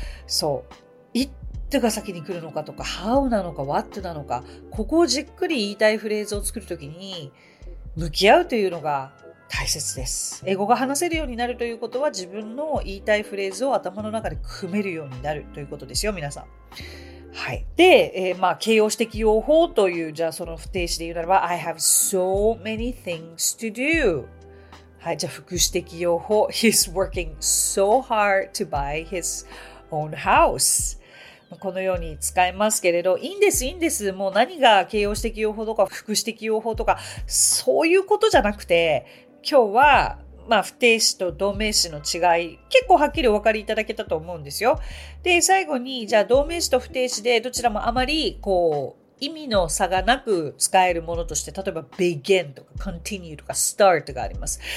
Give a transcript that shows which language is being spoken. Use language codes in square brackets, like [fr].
[ja] そう、一手が先に来るのかとか、 How なのか What なのか、ここをじっくり言いたいフレーズを作るときに向き合うというのが大切です。英語が話せるようになるということは、自分の言いたいフレーズを頭の中で組めるようになるということですよ、皆さん。はい。で、まあ、形容詞的用法という、じゃあその不定詞で言うならば [en] I have so many things to do。 [ja] はい、じゃあ副詞的用法、 [en] He's working so hard to buy his own house。 [ja] このように使えますけれど、いいんです、いいんです、もう何が形容詞的用法とか副詞的用法とか、そういうことじゃなくて、今日は、まあ、不定詞と動名詞の違い、結構はっきりお分かりいただけたと思うんですよ。で、最後に、じゃあ、動名詞と不定詞で、どちらもあまり、こう、意味の差がなく使えるものとして、例えば、begin とか、continue とか、start があります。